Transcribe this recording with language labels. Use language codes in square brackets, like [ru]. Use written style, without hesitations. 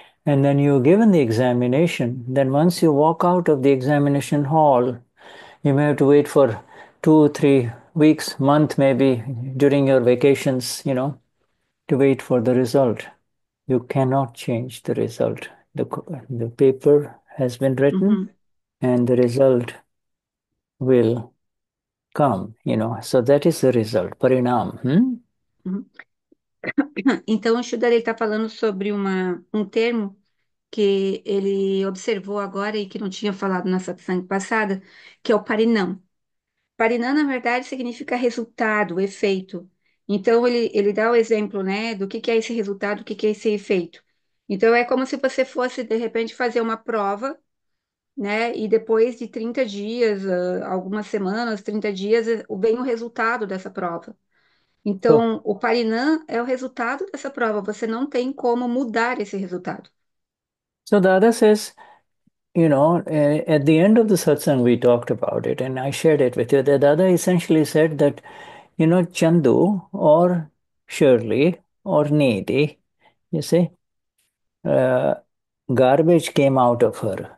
[en] And then you're given the examination. Then once you walk out of the examination hall, you may have to wait for 2, 3 weeks, month maybe, during your vacations, to wait for the result. You cannot change the result. The paper has been written and the result will come, so that is the result. Parinam. [pt] Então, o Shudar está falando sobre um termo que ele observou agora e que não tinha falado na satsang passada, que é o parinam. Parinam, na verdade, significa resultado, efeito. Então, ele dá o exemplo, né, do que é esse resultado, o que é esse efeito. Então, é como se você fosse, de repente, fazer uma prova. Né? E depois de 30 dias, algumas semanas, 30 dias, vem o resultado dessa prova. Então, o Parinam é o resultado dessa prova. Você não tem como mudar esse resultado. [en] So the other says, at the end of the satsang, we talked about it and I shared it with you. The other essentially said that, Chandu or Shirley or Needy, you see, garbage came out of her.